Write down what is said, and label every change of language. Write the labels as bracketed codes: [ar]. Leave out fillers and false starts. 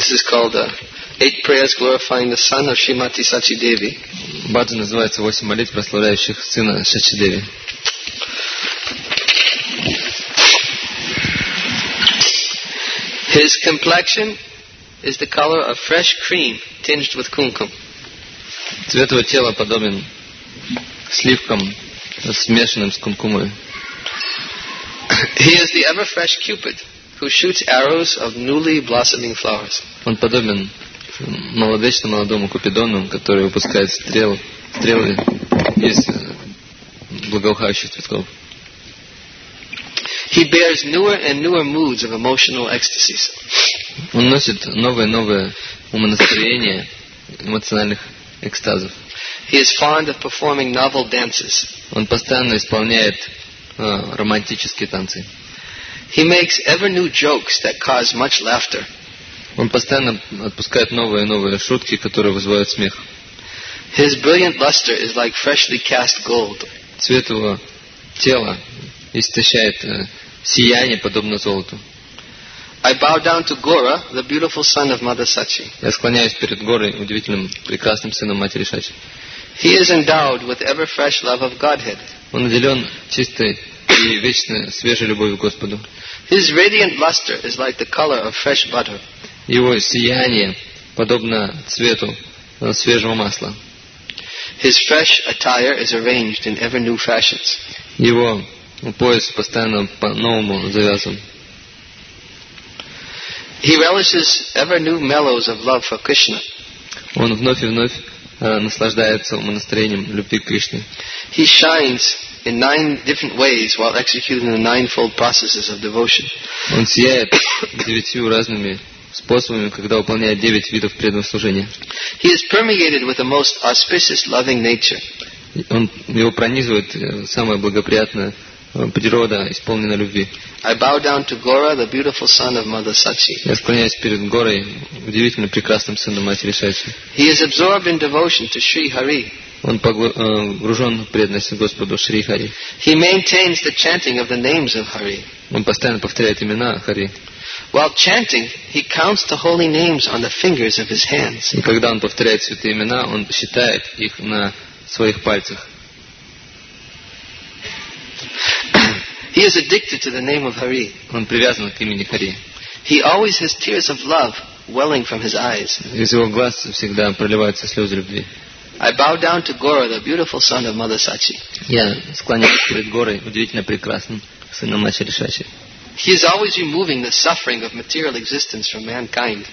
[en] This is called Eight Prayers Glorifying the Son of Srimati Sachi Devi. [ru] Бхаджан называется «Восемь молитв, прославляющих сына Сачи Деви». [en] His complexion is the color of fresh cream tinged with kumkum. [ru] Цвет его тела подобен сливкам, смешанным с кумкумой. [en] He is the ever-fresh cupid who shoots arrows of newly blossoming flowers. [ru] Он подобен молодому купидону, который выпускает стрелы из благоухающих цветков. [en] He bears newer and newer moods of emotional ecstasies. [ru] Он носит новые умонастроения эмоциональных экстазов. [en] He is fond of performing novel dances. [ru] Он постоянно исполняет романтические танцы. [en] He makes ever new jokes that cause much laughter. [ru] Он постоянно отпускает новые шутки, которые вызывают смех. [en] His brilliant luster is like freshly cast gold. [ru] Цвет его тела источает сияние, подобно золоту. [en] I bow down to Gora, the beautiful son of Mother Sachi. [ru] Я склоняюсь перед Горой, удивительным, прекрасным сыном матери Сачи. [en] He is endowed with ever-fresh love of Godhead. [ru] Он наделен чистой и вечно свежей любовью к Господу. [en] His radiant luster is like the color of fresh butter. [ru] Его сияние подобно цвету свежего масла. [en] His fresh attire is arranged in ever new fashions. [ru] Его пояс постоянно по-новому завязан. [en] He relishes ever new mellows of love for Krishna. [ru] Он вновь и вновь наслаждается умонастроением любви к Кришне. [en] He shines in nine different ways while executing the ninefold processes of devotion. [ru] Он сияет девятью разными способами, когда выполняет девять видов преданного служения. [en] He is permeated with the most auspicious loving nature. [ru] Он его пронизывает самая благоприятная природа, исполненная любви. [en] I bow down to Gora, the beautiful son of Mother Sachi. [ru] Я склоняюсь перед Горой, удивительно прекрасным сыном матери Сачи. [en] He is absorbed in devotion to Sri Hari. [ru] Он погружен в преданность Господу Шри Хари. [en] He maintains the chanting of the names of Hari. [ru] Он постоянно повторяет имена Хари. [en] While chanting, he counts the holy names on the fingers of his hands. [ru] И когда он повторяет святые имена, он считает их на своих пальцах. [en] He is addicted to the name of Hari. [ru] Он привязан к имени Хари. [en] He always has tears of love welling from his eyes. [ru] Из его глаз всегда проливаются слезы любви. [en] I bow down to Gora, the beautiful son of Mother Sachi. [ru] Я склоняюсь перед Горой, удивительно прекрасным сыном матери Сачи. [en] He is always removing the suffering of material existence from mankind.